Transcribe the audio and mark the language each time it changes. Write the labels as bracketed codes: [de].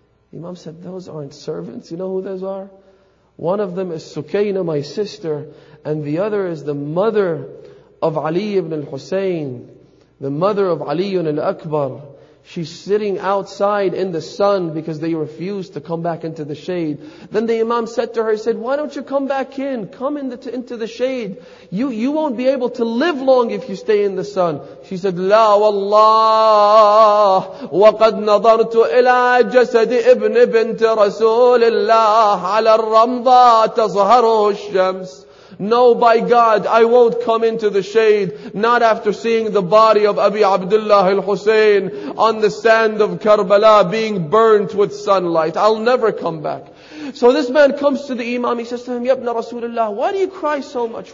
[en] The Imam said, those aren't servants. You know who those are? One of them is Sukayna, my sister, and the other is the mother of Ali ibn al-Husayn, the mother of Ali ibn al-Akbar. She's sitting outside in the sun because they refused to come back into the shade. Then the Imam said to her, he said, why don't you come back in? Come into the shade. You won't be able to live long if you stay in the sun. She said, [ar] لا والله وقد نظرت إلى جسد ابن بنت رسول الله على الرمضة تظهره الشمس. [en] No, by God, I won't come into the shade, not after seeing the body of Abi Abdullah al-Hussein on the sand of Karbala being burnt with sunlight. I'll never come back. So this man comes to the Imam, he says to him, Yabna Rasulullah, why do you cry so much?